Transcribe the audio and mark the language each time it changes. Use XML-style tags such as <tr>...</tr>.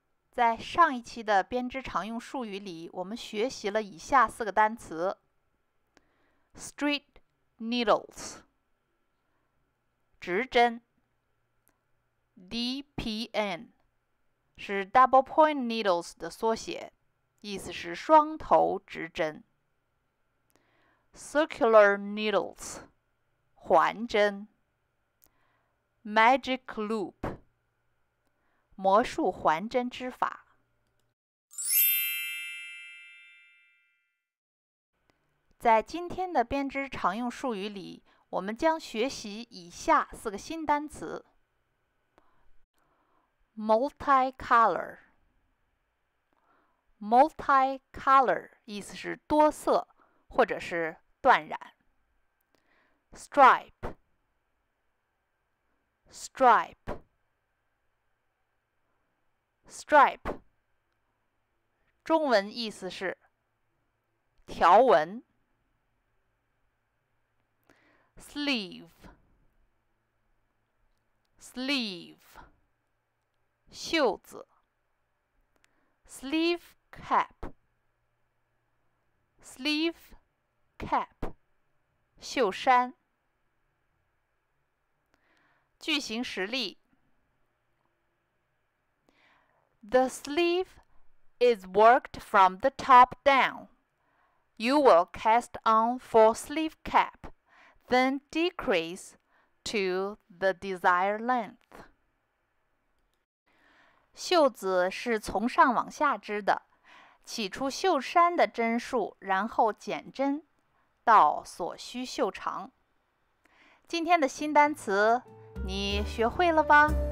<zh>在上一期的编织常用术语里，我们学习了以下4个单词 Straight needles 直针 DPN 是 double point needles 的缩写，意思是双头直针。</zh> <en>Circular needles 环针。 Magic loop 魔术环针织法。</en> <zh>在今天的编织常用术语里，我们将学习以下4个新单词 Multicolor。 Multicolor 意思是多色或者是缎染。</zh> <en>Stripe。 Stripe。</en> <zh>Stripe 中文意思是条纹。</zh> <en>Sleeve, sleeve, 袖子。 Sleeve cap, sleeve cap, 袖衫。</en> <zh>句型实例。</zh> <en>The sleeve is worked from the top down. You will cast on for sleeve cap. Then decrease to the desired length.</en> <zh>袖子是从上往下织的，起出袖衫的针数，然后减针到所需袖长。今天的新单词你学会了吧？</zh>